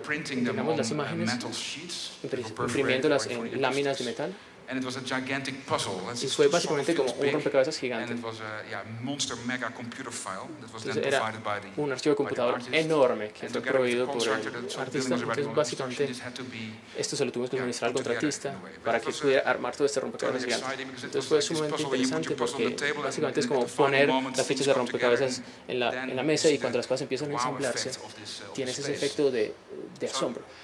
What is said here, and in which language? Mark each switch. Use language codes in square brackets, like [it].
[es] Integramos las imágenes imprimiéndolas en láminas de metal. [en] And it was a gigantic puzzle. [es] Y fue básicamente como un rompecabezas gigante. [en] And it was a monster mega computer file that was then provided by the [es] un archivo de computador enorme que fue proveído por el artista. Entonces, básicamente, esto se lo tuvimos que administrar al contratista para que pudiera armar todo este rompecabezas gigante. Entonces fue sumamente interesante porque básicamente es como poner las fichas de rompecabezas en la mesa, y cuando las cosas empiezan a ensamblarse, tienes ese efecto de asombro.